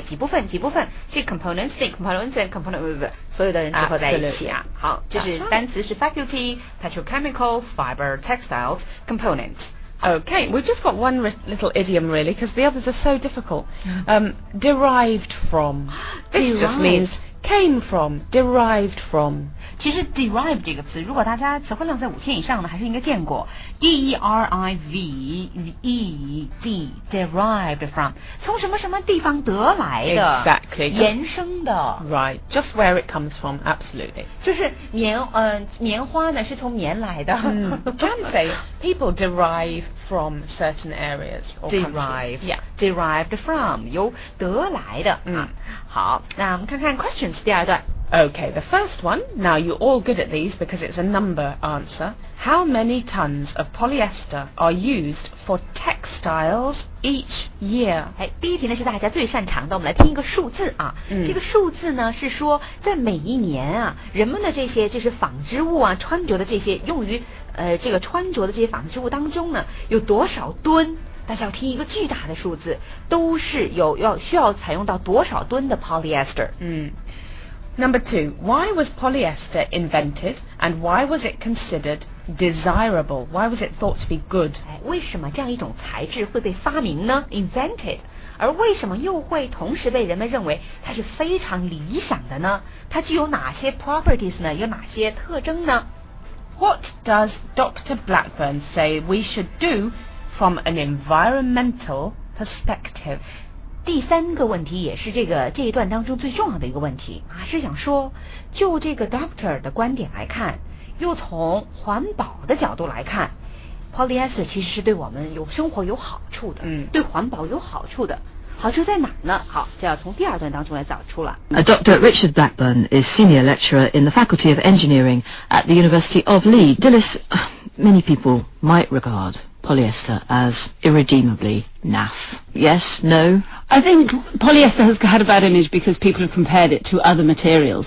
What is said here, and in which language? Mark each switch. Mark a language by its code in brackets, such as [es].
[zh] 几部分，是 components, 是 components and components, 所有的人组合在一起啊。好，就是单词是 faculty, petrochemical, fiber, textiles, components. [en] Okay, we've just got one little idiom really, because the others are so difficult. Derived from, this just means. Came from, derived from. [zh] 其实 derive 这个词，如果大家词汇量在五天以上呢，还是应该见过。 D-E-R-I-V-E-D, derived from, 从什么什么地方得来的 [en] ，exactly, [zh] 延伸的 [en] ，right, just where it comes from, absolutely. [zh] 就是棉花呢是从棉来的。 [en] Can say people derive from certain areas or derive, yeah, [zh] derived from, 由得来的。好，那我们看看 question。 [en] Okay, the first one. Now you're all good at these because it's a number answer. How many tons of polyester are used for textiles each year? [zh] 第一题呢是大家最擅长的，我们来听一个数字啊。这个数字呢是说在每一年啊，人们的这些就是纺织物啊，穿着的这些用于这个穿着的这些纺织物当中呢，有多少吨？大家要听一个巨大的数字，都是有要需要采用到多少吨的 polyester。 [en] Number two, why was polyester invented and why was it considered desirable? Why was it thought to be good? [zh] 为什么这样一种材质会被发明呢 ？Invented， 而为什么又会同时被人们认为它是非常理想的呢？它具有哪些 properties 呢？有哪些特征呢 [en] ？What does Dr. Blackburn say we should do? From an environmental perspective, [zh] 第三个问题也是这一段当中最重要的一个问题啊，是想说，就这个 doctor 的观点来看，又从环保的角度来看 ，polyester 其实是对我们有生活有好处的，对环保有好处的。好处在哪呢？好，就要从第二段当中来找出了。 [en] Dr. Richard Blackburn is senior lecturer in the Faculty of Engineering at the University of Leeds. Dillis, many people might regard. Polyester as irredeemably naff. Yes, no? I think polyester has had a bad image because people have compared it to other materials.